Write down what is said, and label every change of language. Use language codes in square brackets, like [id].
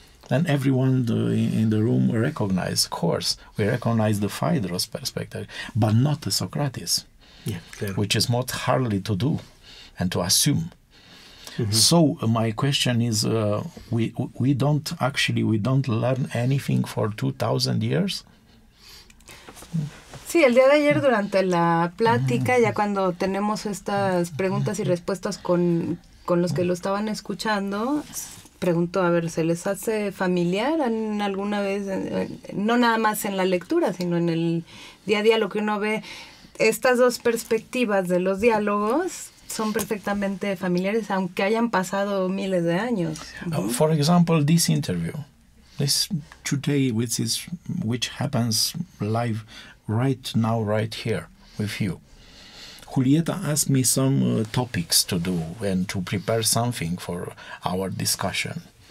[en] And everyone in the room recognized, of course, we recognize the Phaedrus perspective, but not the Socrates. Yeah, clearly. Which is more hardly to do and to assume. Mm-hmm. So my question is, we don't learn anything for 2,000 years? [es] Sí, el día de ayer durante la plática, ya cuando tenemos estas preguntas y respuestas con los que lo estaban escuchando, pregunto, a ver, ¿se les hace familiar alguna vez? No nada más en la lectura, sino en el día a día, lo que uno ve. Estas dos perspectivas de los diálogos son perfectamente familiares, aunque hayan pasado miles de años. [en] For example, this interview, this today, which happens live right now, right here with you. Julieta asked me some topics to do and to prepare something for our discussion.